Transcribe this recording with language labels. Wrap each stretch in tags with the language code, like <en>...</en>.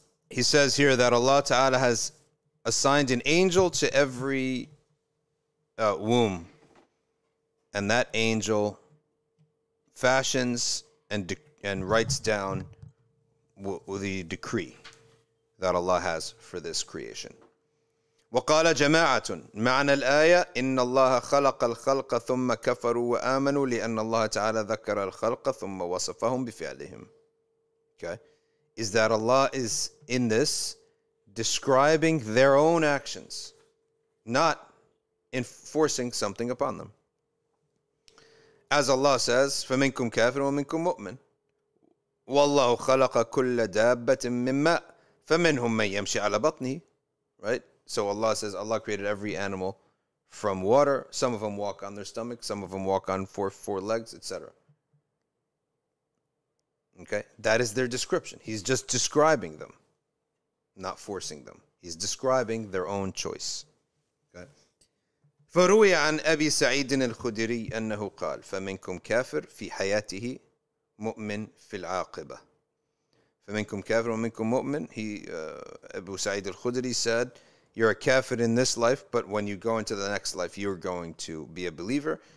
<en>He says here that Allah Ta'ala has assigned an angel to every womb, and that angel fashions and writes down the decree that Allah has for this creation.</en> <ar>وقال جماعة معنى الآية إن الله خلق الخلق ثم كفروا وآمنوا لأن الله تعالى ذكر الخلق ثم وصفهم بفعلهم.</ar> <en>Okay, is that Allah is in this describing their own actions, not enforcing something upon them. As Allah says,</en> <ar>فمنكم كافر ومنكم مؤمن. والله خلق كل دابة مما فمنهم من يمشي على بطنه.</ar> <en>Right. So Allah says, Allah created every animal from water. Some of them walk on their stomach. Some of them walk on four legs, etc. Okay, that is their description. He's just describing them, not forcing them. He's describing their own choice. Okay.</en> <ar>فَرُوِيَ عَنْ أَبِي سَعِيدٍ الْخُدِرِي أَنَّهُ قَالَ فَمِنْكُمْ كَافِرْ فِي حَيَاتِهِ مُؤْمِنْ فِي الْعَاقِبَةِ فَمِنْكُمْ كَافِرْ وَمِنْكُمْ مُؤْمِنْ</ar> <en>Abu Sa'id al-Khudri said, you're a kafir in this life, but when you go into the next life, you're going to be a believer.</en>